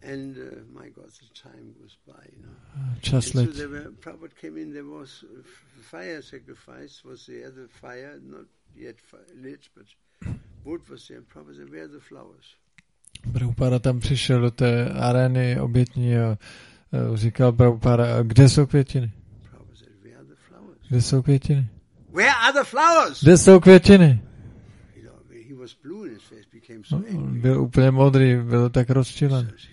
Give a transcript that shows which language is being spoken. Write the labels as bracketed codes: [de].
[en] And my God, the time goes by, you know. [cs] Čas let. [en] So Prabhupada came in, there was fire sacrifice, was there the fire, not yet lit, but wood was there, Prabhupada said, where are the flowers? [cs] Prabhupada tam přišel do té arény obětní a říkal Prabhupada, kde jsou květiny? [en] Prabhupada said, where are the flowers? [cs] Kde jsou květiny? [en] Where are the flowers? [cs] Kde jsou květiny? [en] He was blue in his face, became so angry. [cs] Byl úplně modrý, byl tak rozčilen.